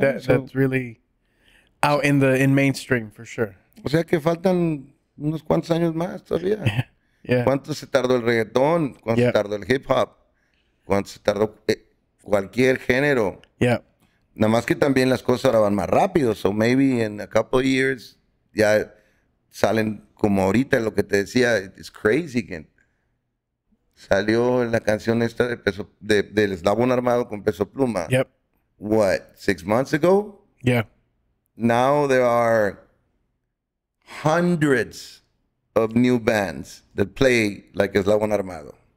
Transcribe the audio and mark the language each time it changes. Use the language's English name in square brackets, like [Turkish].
[English] Yeah, that's really out in the mainstream, for sure. [Spanish] O sea que faltan unos cuantos años más todavía. [English] Yeah. Yeah. [Spanish] ¿Cuánto se tardó el reggaetón? ¿Cuánto se tardó el hip hop? ¿Cuánto se tardó cualquier género? [English] Yeah. [Spanish] Nada más que también las cosas ahora van más rápido. [English] So maybe in a couple of years [Spanish] ya salen como ahorita lo que te decía. [English] It's crazy again. [Spanish] Salió la canción esta de peso del Eslabón Armado con Peso Pluma. [English] Yep. What, 6 months ago? Yeah. Now there are hundreds of new bands that play like Eslabón Armado.